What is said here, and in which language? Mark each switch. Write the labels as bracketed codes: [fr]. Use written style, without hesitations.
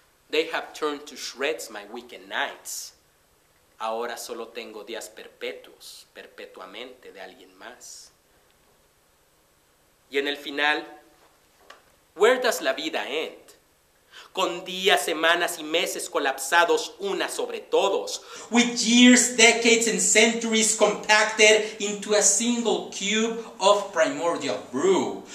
[en] They have turned to shreds my weekend nights. [es] Ahora solo tengo días perpetuos, perpetuamente de alguien más. Y en el final, [en] where does [es] la vida [en] end? [es] Con días, semanas y meses colapsados una sobre todos. [en] With years, decades and centuries compacted into a single cube of primordial brew.